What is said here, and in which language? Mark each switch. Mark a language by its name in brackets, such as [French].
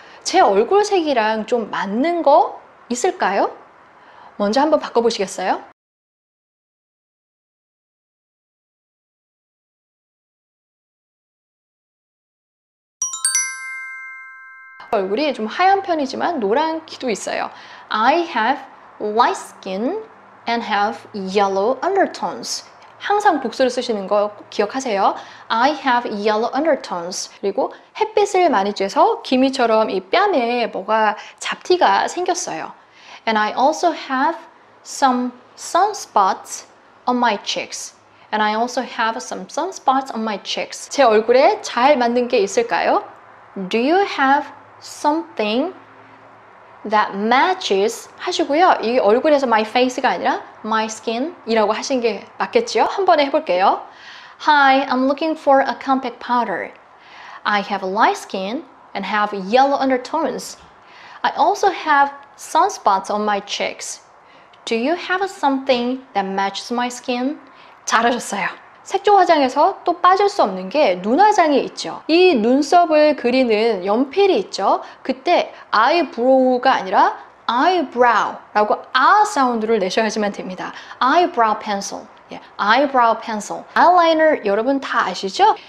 [Korean] 제 얼굴색이랑 좀 맞는 거 있을까요? 먼저 한번 바꿔보시겠어요? Mm-hmm. 얼굴이 좀 하얀 편이지만 노란기도 있어요. [English] I have light skin and have yellow undertones. [Korean] 항상 복수를 쓰시는 거 꼭 기억하세요. [English] I have yellow undertones. [Korean] 그리고 햇빛을 많이 쬐서 기미처럼 이 뺨에 뭐가 잡티가 생겼어요. [English] And I also have some sunspots on my cheeks. And I also have some sunspots on my cheeks. [Korean] 제 얼굴에 잘 맞는 게 있을까요? [English] Do you have something that matches [Korean] 하시고요. 이 얼굴에서 [English] my face [Korean] 가 아니라 [English] my skin [Korean] 이라고 하신 게 맞겠죠? 한 번에 해볼게요. [English] Hi, I'm looking for a compact powder. I have light skin and have yellow undertones. I also have sunspots on my cheeks. Do you have something that matches my skin? [Korean] 잘하셨어요. 색조 화장에서 또 빠질 수 없는 게 눈화장이 있죠. 이 눈썹을 그리는 연필이 있죠. 그때 아이브로우가 아니라 아이브라우라고 아 사운드를 내셔야지만 됩니다. 아이브라우 펜슬. 예, 아이브라우 펜슬. 아이라이너 여러분 다 아시죠?